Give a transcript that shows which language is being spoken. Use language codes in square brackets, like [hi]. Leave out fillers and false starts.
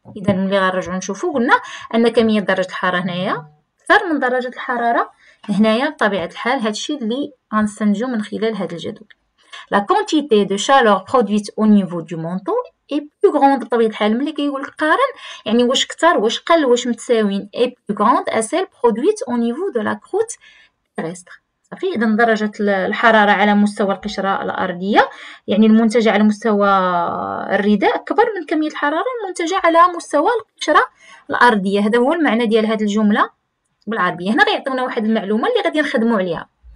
[ar] إذا ملي غنرجعو نشوفو قلنا أن كمية درجة الحرارة هنايا أكثر من درجة الحرارة هنايا بطبيعة الحال، هادشي اللي غنستنتجو من خلال هاد الجدول. [fr] La quantité de chaleur produite au niveau du manteau est plus grande. [ar] طبيعة الحال ملي كيقول قارن يعني واش كثر واش قل واش متساويين. [fr] est plus grande à celle produite au niveau de la croûte terrestre. [ar] صافي، اذا درجة الحرارة على مستوى القشرة الأرضية يعني المنتجة على مستوى الرداء أكبر من كمية الحرارة المنتجة على مستوى القشرة الأرضية. هذا هو المعنى ديال هذه الجملة بالعربية. هنا غيعطيونا واحد المعلومة اللي غادي نخدموا عليها.